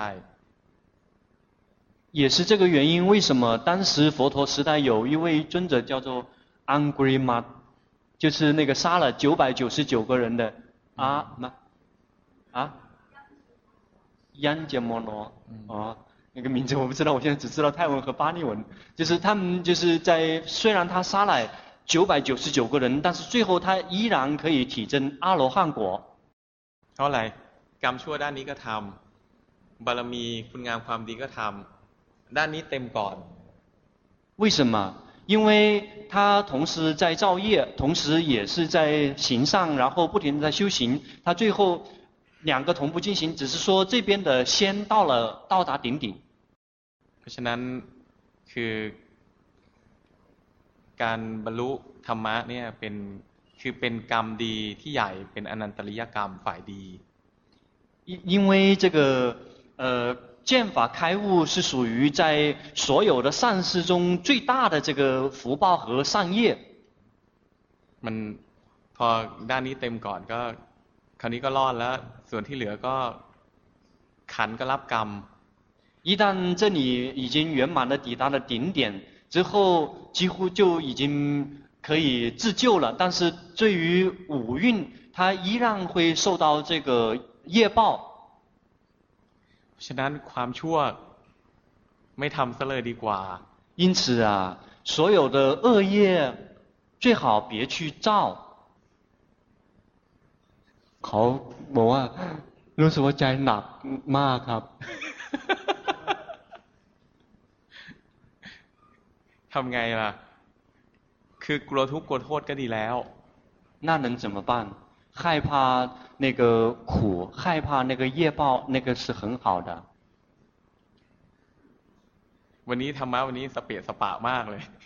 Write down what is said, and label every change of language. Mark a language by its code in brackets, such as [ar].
[zh] 也是这个原因为什么当时佛陀时代有一位尊者叫做安古里玛就是那个杀了999个人的阿那啊央杰摩罗哦那个名字我不知道我现在只知道泰文和巴利文就是他们就是在虽然他杀了999个人但是最后他依然可以体证阿罗汉果后来 [th] กรรมชั่วด้านนี้ก็ทำบารมีคุณงามความดีก็ทำด้านนี้เต็มก่อน [zh] 为什么因为他同时在造业同时也是在行善然后不停地在修行他最后两个同步进行只是说这边的先到了到达顶顶 [th] เพราะฉะนั้นคือการบรรลุธรรมะเนี่ยเป็นกรรมดีที่ใหญ่เป็นอนันตริยกรรมฝ่ายดี [zh] 因为这个剑法开悟是属于在所有的善事中最大的这个福报和善业 [th] มันพอด้านนี้เต็มก่อนก็คราวนี้ก็รอดแล้วส่วนที่เหลือก็ขันก็รับกรรม [zh] 一旦这里已经圆满的抵达了顶点之后几乎就已经可以自救了但是对于五蕴它依然会受到这个业报 [th] ฉะนั้นความชั่วไม่ทำซะเลยดีกว่า [zh] 因此啊所有的恶业最好别去造 [th] เขาบอกว่ารู้สึกว่าใจหนักมากครับ ทำไงล่ะคือกลัวทุกข์กลัวโทษก็ดีแล้ว [zh] 那能怎么办害怕那个苦害怕那个业报那个是很好的 [th] วันนี้ธรรมะวันนี้สเปะสปะมากเลย